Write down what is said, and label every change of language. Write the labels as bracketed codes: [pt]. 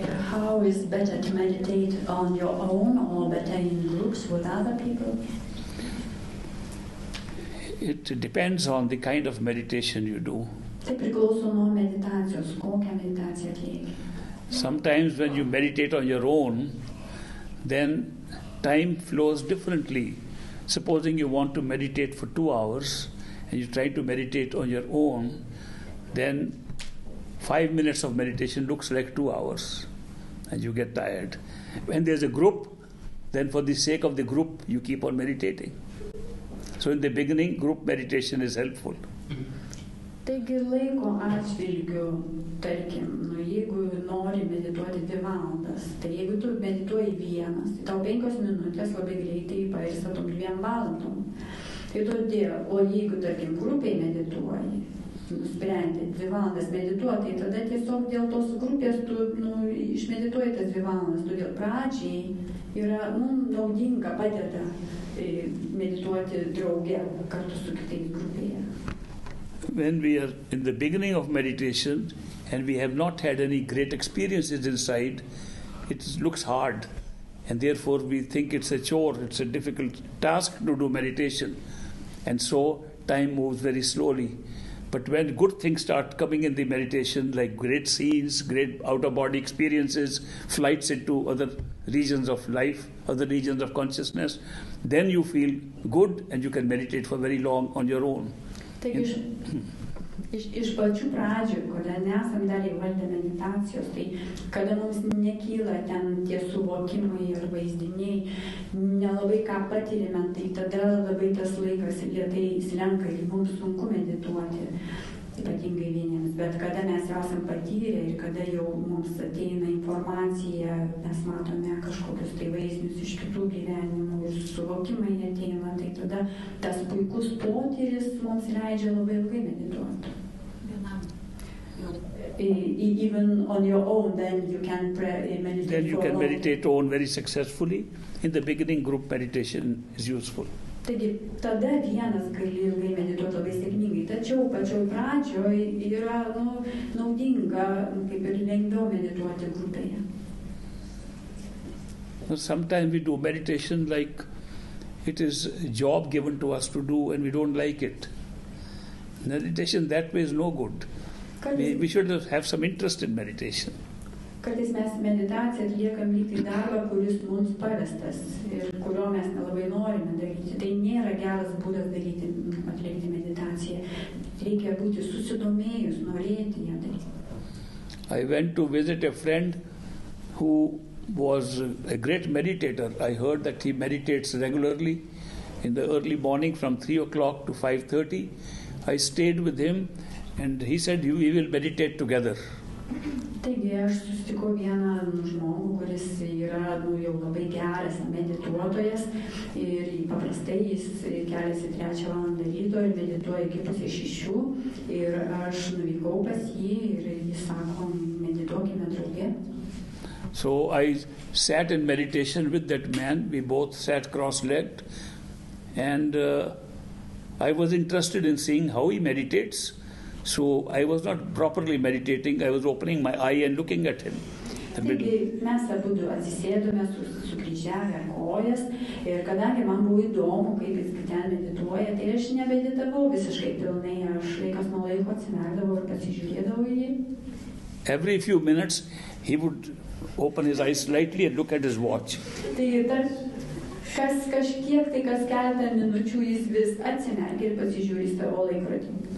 [en] How is better to meditate on your own or better in groups with other people? It depends on the kind of meditation you do. [lt] Tai priklauso nuo meditacijos, kokią meditaciją atlieki. [en] Sometimes when you meditate on your own, then time flows differently. Supposing you want to meditate for 2 hours and you try to meditate on your own, then 5 minutes of meditation looks like 2 hours and you get tired. When there's a group, then for the sake of the group, you keep on meditating. So in the beginning, group meditation is helpful. [lt] Taigi laiko atžvilgiu, tarkim, jeigu nori medituoti 2 valandas, tai jeigu tu medituoji vienas, tau 5 minutės labai greitai pailsi tom 2 valandom. Tai todėl, o jeigu, tarkim, grupėje medituoji, nusprendė 2 valandas medituoti, tai tada tiesiog dėl tos grupės tu nu, išmedituoji tas 2 valandas. Todėl pradžiai yra naudinga padeda medituoti drauge kartu su kitais grupėje. [en] When we are in the beginning of meditation and we have not had any great experiences inside, it looks hard. And therefore we think it's a chore, it's a difficult task to do meditation. And so time moves very slowly. But when good things start coming in the meditation, like great scenes, great out-of-body experiences, flights into other regions of life, other regions of consciousness, then you feel good and you can meditate for very long on your own. [lt] Iš pačių pradžių, kada nesam dar įvaldę meditacijos, tai kada mums nekyla ten tie suvokimai ir vaizdiniai, nelabai ką patyrime, tai tada labai tas laikas lietai slenka ir mums sunku medituoti, ypatingai vieniems. Bet kada mes jau esam patyrę ir kada jau mums ateina informacija, mes matome kažkokius tai vaizdinius iš kitų gyvenimų ir suvokimai ateina, tai tada tas puikus potyris mums leidžia labai ilgai medituoti. [en] Even on your own, then you can meditate. Then you can meditate on very successfully. In the beginning, group meditation is useful. [lt] Taigi, tada vienas gali ilgai medituoti labai sėkmingai. Tačiau pačioj pradžioj yra naudinga, kaip ir lengviau medituoti grupėje. [en] Sometimes we do meditation like it is a job given to us to do and we don't like it. Meditation that way is no good. We should have some interest in meditation. [lt] Kartais mes meditaciją atliekam lyg tai darbą, kuris mums pavestas ir kurio mes nelabai norime daryti. Tai nėra geras būdas daryti, atlikti meditaciją. Reikia būti susidomėjus, norėti ją daryti. [en] I went to visit a friend who was a great meditator. I heard that he meditates regularly in the early morning from 3 o'clock to 5:30. I stayed with him and he said, we will meditate together. [lt] Taigi, aš susitikau vieną žmogų, kuris yra jau labai geras medituotojas ir paprastai jis keliasi 3 valandą ryto ir medituoja iki pusės 6 ir aš nuvykau pas jį ir jis sako, medituokime drauge. [en] So I sat in meditation with that man, we both sat cross-legged and I was interested in seeing how he meditates. So I was not properly meditating, I was opening my eye and looking at him. [lt] Taigi mes abu atsisėdome su kryžiavę kojas ir kadangi man buvo įdomu, kaip jis ten medituoja, tai aš nemeditavau visiškai pilnai, aš laikas nuo laiko atsimerkdavau ir pasižiūrėdavau į jį. [en] Every few minutes he would open his eyes slightly and look at his watch. [lt] Kas keletą minučių jis vis atsimerkė ir pasižiūrė į savo laikrodį.